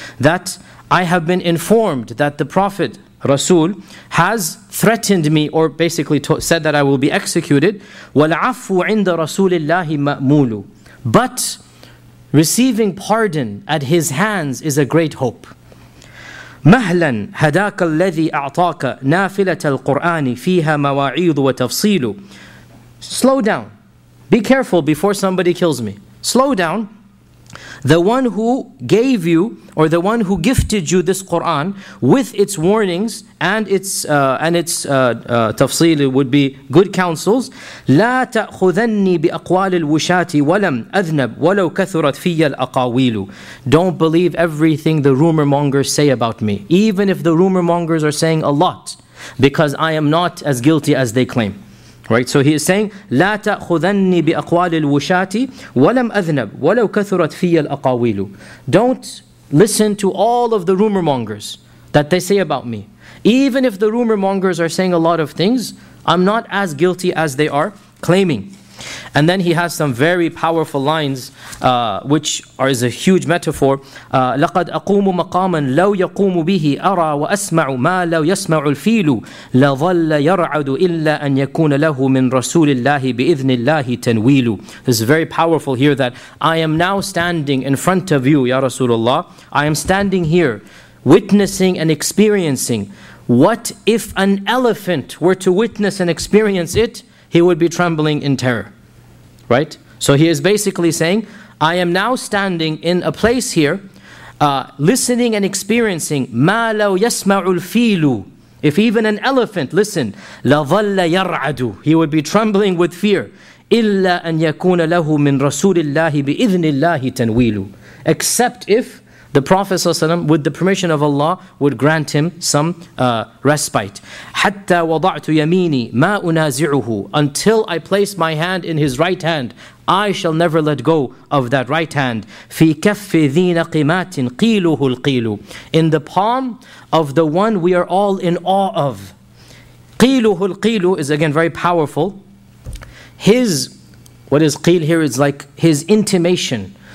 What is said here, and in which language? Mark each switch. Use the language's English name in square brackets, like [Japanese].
[English] That I have been informed that the Prophet, Rasul, has threatened me, or basically said that I will be executed. [Arabic] وَالْعَفْوُ عِنْدَ رَسُولِ اللَّهِ مَأْمُولُ. [English] But receiving pardon at his hands is a great hope. [Arabic] مهلا هداك الذي أعطاك نافلة القرآن فيها مواعيد وتفصيل. [English] Slow down. Be careful before somebody kills me. Slow down. The one who gave you, or the one who gifted you this Quran with its warnings and its تفصيل would be good counsels. [Arabic] لا تأخذني بأقوال الوشات ولم أذنب ولو كثرت في الأقاويل. [English] Don't believe everything the rumor mongers say about me, even if the rumor mongers are saying a lot, because I am not as guilty as they claim. Right, so he is saying, [Arabic] لا تأخذني بأقوال الوشاتي ولم أذنب ولو كثرت في الأقاويل. [English] Don't listen to all of the rumor mongers that they say about me. Even if the rumor mongers are saying a lot of things, I'm not as guilty as they are claiming. And then he has some very powerful lines, which are is a huge metaphor. [Arabic] لقد أقوم مقاما لو يقوم به أرى وأسمع ما لو يسمع الفيل لظل يرعد إلا أن يكون له من رسول الله بإذن الله تنويل. [English] This is very powerful here, that I am now standing in front of you, Ya Rasulullah. I am standing here witnessing and experiencing. What if an elephant were to witness and experience it? He would be trembling in terror, right? So he is basically saying, I am now standing in a place here, listening and experiencing, [Arabic] مَا لَوْ يَسْمَعُ الْفِيلُ. [English] If even an elephant, listen, [Arabic] لَظَلَّ يَرْعَدُ, [English] he would be trembling with fear. [Arabic] إِلَّا أَن يَكُونَ لَهُ مِنْ رَسُولِ اللَّهِ بِإِذْنِ اللَّهِ تَنْوِيلُ. [English] Except if the Prophet ﷺ, with the permission of Allah, would grant him some respite. [Arabic] حَتَّى وَضَعْتُ يَمِينِي مَا أُنَازِعُهُ. [English] Until I place my hand in his right hand, I shall never let go of that right hand. [Arabic] فِي كَفِّ ذِينَ قِمَاتٍ قِيلُهُ الْقِيلُ. [English] In the palm of the one we are all in awe of. [Arabic] قِيلُهُ الْقِيلُ [English] is again very powerful. His, what is قِيل here, is like his intimation.